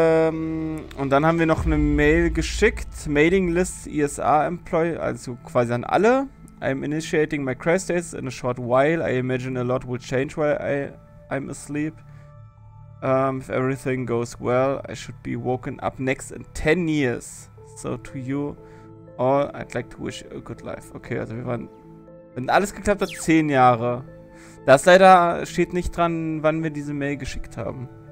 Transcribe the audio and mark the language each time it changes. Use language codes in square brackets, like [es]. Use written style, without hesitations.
[de] Und dann haben wir noch eine Mail geschickt. Mailing list ESA employee, also quasi an alle. [en] I'm initiating my cryostasis in a short while. I imagine a lot will change while I'm asleep. If everything goes well, I should be woken up next in 10 years. So to you all, I'd like to wish you a good life. [de] Okay, also wir waren Wenn alles geklappt hat, 10 Jahre. Das leider steht nicht dran, wann wir diese Mail geschickt haben.